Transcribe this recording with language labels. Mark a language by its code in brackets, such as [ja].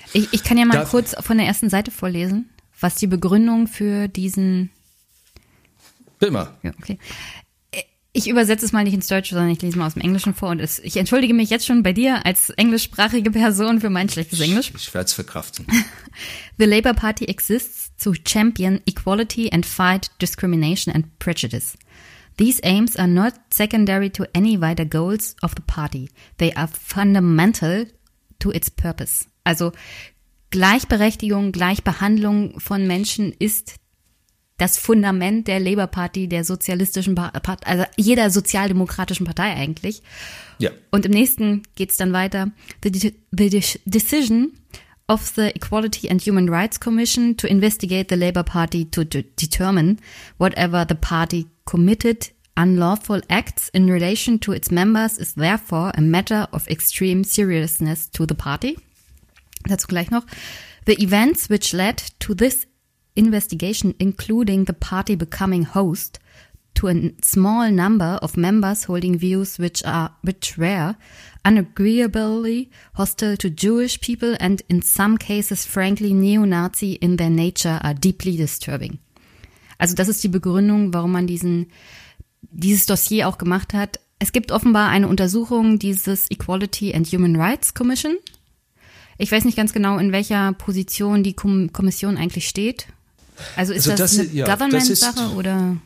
[de] Ich kann ja mal kurz von der ersten Seite vorlesen, was die Begründung für diesen... Bitte mal. Ja, okay. Ich übersetze es mal nicht ins Deutsche, sondern ich lese mal aus dem Englischen vor. Und ich entschuldige mich jetzt schon bei dir als englischsprachige Person für mein schlechtes Englisch. Ich werde es verkraften. [en] The Labour Party exists to champion equality and fight discrimination and prejudice. These aims are not secondary to any wider goals of the party. They are fundamental to its purpose. [de] Also Gleichberechtigung, Gleichbehandlung von Menschen ist das Fundament der Labour Party, der sozialistischen Partei, also jeder sozialdemokratischen Partei eigentlich. Ja. Und im nächsten geht es dann weiter. [en] The decision of the Equality and Human Rights Commission to investigate the Labour Party to determine whatever the party committed unlawful acts in relation to its members is therefore a matter of extreme seriousness to the party. [de] Dazu gleich noch. [en] The events which led to this investigation, including the party becoming host to a small number of members holding views which were unagreeably hostile to Jewish people and in some cases frankly neo-Nazi in their nature are deeply disturbing. [de] Also das ist die Begründung, warum man dieses Dossier auch gemacht hat. Es gibt offenbar eine Untersuchung dieses Equality and Human Rights Commission. Ich weiß nicht ganz genau, in welcher Position die Kommission eigentlich steht. Also ist das eine Government-Sache oder?